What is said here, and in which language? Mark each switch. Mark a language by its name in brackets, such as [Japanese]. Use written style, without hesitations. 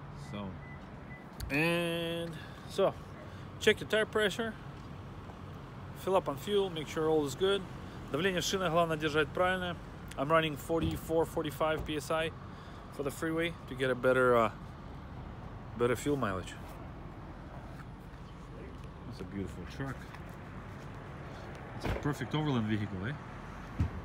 [English] So, and so, check your tire pressure, fill up on fuel, make sure all is good. [Russian] Давление в шинах главное держать правильно. [English] I'm running 44-45 PSI for the freeway to get a better fuel mileage. That's a beautiful truck. It's a perfect overland vehicle, eh?